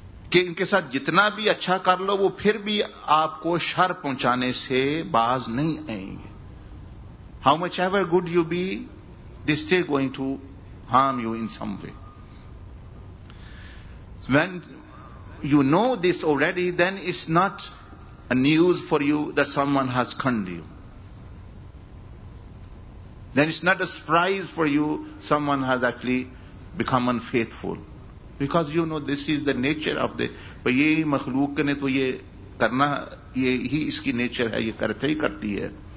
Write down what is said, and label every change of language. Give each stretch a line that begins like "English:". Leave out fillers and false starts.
Urdu: کہ ان کے ساتھ جتنا بھی اچھا کر لو وہ پھر بھی آپ کو شر پہنچانے سے باز نہیں آئیں گے.
English: How much ever good you be, they still going to harm you in some way. When you know this already, then it's not a news for you that someone has conned you. Then it's not a surprise for you someone has actually become unfaithful. Because you know this is the nature of the
Urdu: یہ مخلوق نے تو یہ کرنا یہ ہی اس کی nature ہے یہ کرتے ہی کرتی ہے.